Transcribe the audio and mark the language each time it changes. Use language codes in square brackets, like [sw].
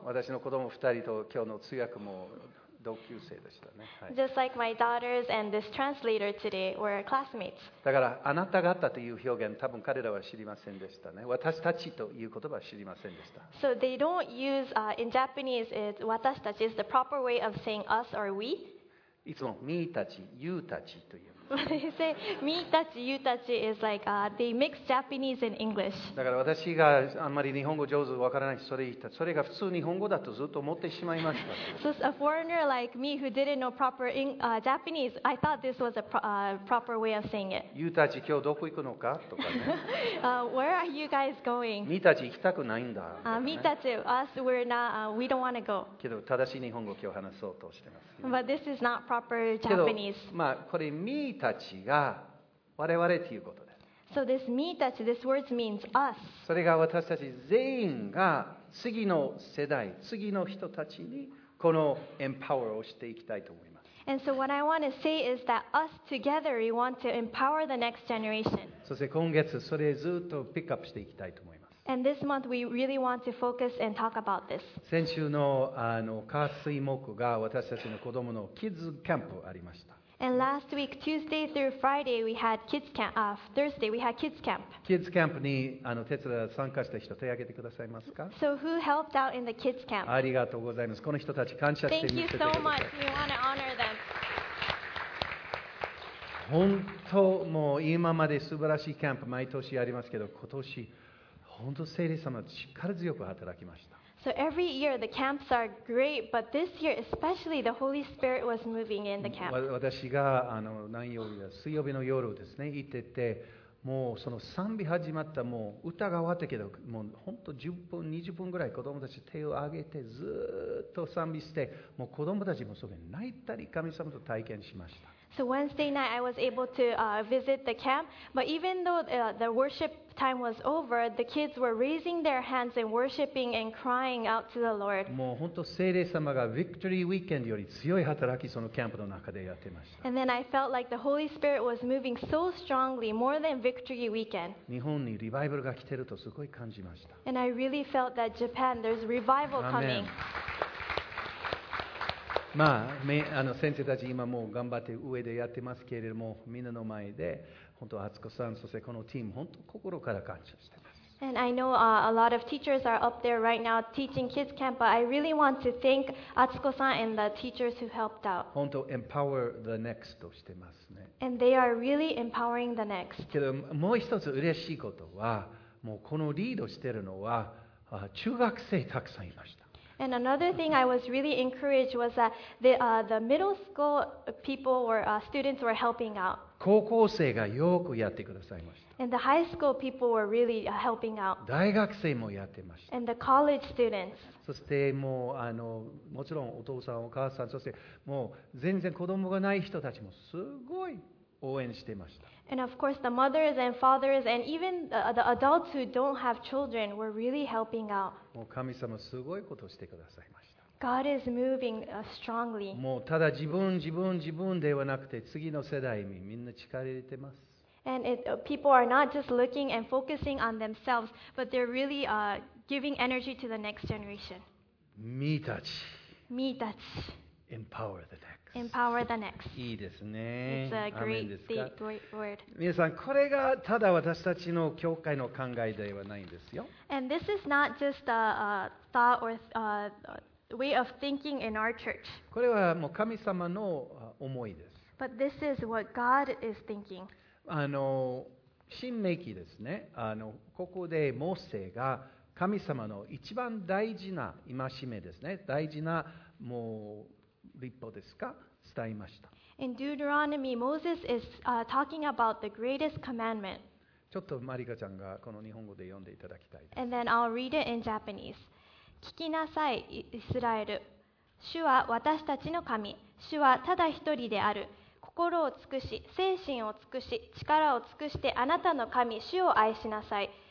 [ja] 私の子供2人と今日の通訳も同級生でしたね。は [en] い、Just like my daughters and this translator today were classmates. [ja] だからあなた方という表現、多分彼らは知りませんでしたね。私たちという言葉は知りませんでした。 [en] So they don't use in Japanese it 私たち is the proper way of saying us or we. [ja] いつも me たち、you たちという。 [en] They say me たち you たち is like they mix Japanese and English. [ja] だから私があんまり日本語上手わからないそれ言ったそれが普通日本語だとずっと思ってしまいました。 [en] So a foreigner like me who didn't know proper Japanese, I thought this was a proper way of saying it. [ja] You たち今日どこ行くのかとかね。 [en] Where are you guys going? [ja] Me たち行きたくないんだ。 [en] Me たち us we're not we don't want to go. [ja] けど正しい日本語を今日話そうとしてます。 [en] But this is not proper Japanese. [ja] まあこれ me たちが我々ということです。 [en] So this me たち this word means us. [ja] それが私たち全員が次の世代、次の人たちにこのエンパワーをしていきたいと思います。 [en] And so what I want to say is that us together we want to empower the next generation. [ja] そして今月それずっとピックアップしていきたいと思います。 [en] And this month we really want to focus and talk about this. [ja] 先週の火水木が私たちの子供のキッズキャンプありました。 [en] And last week, Tuesday through Friday, we had kids camp. Thursday, we had kids camp. [ja] Kids camp に手伝い参加した人手を挙げてくださいますか [en] ？So who helped out in the kids camp? [ja] ありがとうございます。この人たち感謝して [en] Thank you so much. We want to honor them. [ja] 本当もう今まで素晴らしいキャンプ毎年ありますけど、今年本当聖霊様力強く働きました。 [en] So every year the camps are great, but this year especially the Holy Spirit was moving in the camp. [ja] 私が何曜日だ、水曜日の夜ですね、行ってて、もうその賛美始まった、もう歌が終わったけど、もう本当10分、20分ぐらい子供たち手を挙げてずっと賛美して、もう子供たちもそこに泣いたり神様と体験しました。 [en] So Wednesday night I was able to visit the camp, but even though the worship time was over, the kids were raising their hands and worshiping and crying out to the Lord. [ja] もう本当聖霊様がビクトリーウィークエンドより強い働きそのキャンプの中でやってました。 [en] And then I felt like the Holy Spirit was moving so strongly, more than Victory Weekend. [ja] 日本にリバイバルが来てるとすごい感じました。 [en] And I really felt that Japan, there's revival coming. [ja] まあ、先生たち今もう頑張って上でやってますけれども、みんなの前で本当厚子さん、そしてこのチーム本当心から感謝しています。 [en] And I know a lot of teachers are up there right now teaching kids camp, but I really want to thank Atsuko-san and the teachers who helped out. [ja] 本当 [en] empower the next [ja] としてますね。 [en] And they are really empowering the next. [ja] けどもう一つ嬉しいことは、もうこのリードしてるのは中学生たくさんいました。 [en] And another thing I was really encouraged was that the middle school people were students were helping out. [ja] 高校生がよくやってくださいました。 [en] And the high school people were really helping out. [ja] 大学生もやってました。 [en] And the college students. [ja] そしてもうもちろんお父さんお母さんそしてもう全然子供がない人たちもすごい応援してました。 [en] And of course the mothers and fathers and even the adults who don't have children were really helping out. [ja] もう神様すごいことをしてくださいました。 [en] God is moving strongly. [ja] もうただ自分ではなくて次の世代にみんな力入れてます。 [en] And people are not just looking and focusing on themselves, but they're really giving energy to the next generation. [ja] Me たち。 Me たち。 [en] Empower the next. Empower the next. [ja] いいですね。 [en] It's a great word. [ja] 皆さん、これがただ私たちの教会の考えではないんですよ。 [en] And this is not just a thought or way of thinking in our church. [ja] これはもう神様の思いです。 [en] But this is what God is thinking. [ja] 新命記ですね。ここでモーセが神様の一番大事な戒めですね。大事なもう立法ですか伝えました。 [en] In Deuteronomy, Moses is talking about the greatest commandment. [ja] ちょっとマリカちゃんがこの日本語で読んでいただきたいです。 [en] And then I'll read it in Japanese. [ja] 聞きなさい、イスラエル。主は私たちの神。主はただ一人である。心を尽くし、精神を尽くし、力を尽くしてあなたの神、主を愛しなさい。